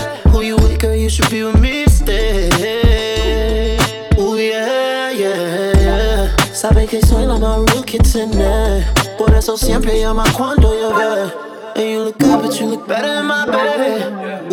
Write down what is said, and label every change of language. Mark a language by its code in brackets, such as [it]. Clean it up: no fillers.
[en] Who you with, girl, you should be with me instead. Ooh, yeah, yeah. [es] Sabe que soy la más real que tiene. Por eso siempre llama cuando llueve. [en] And you look good, but you look better than my bed.